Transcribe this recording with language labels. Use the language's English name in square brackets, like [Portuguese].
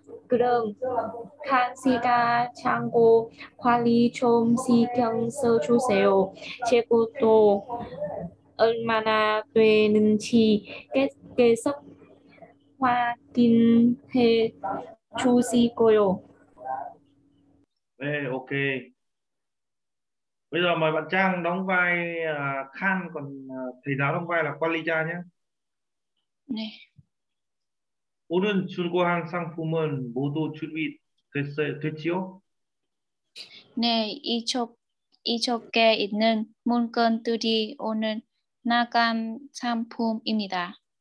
[Korean] 그럼 칸 씨가 창고 관리 좀 신경 써주세요. 재고도 얼마나 되는지 계속 확인해 주시고요. 네, 오케이. [Vietnamese] Bây giờ mời bạn Trang đóng vai Khan, còn thầy giáo đóng vai là Quan Ly Cha nhé. [Korean] 네. 오늘 준비한 상품은 모두 준비됐지요? 네, 이쪽에 있는 문건들이 오늘 나간 상품입니다.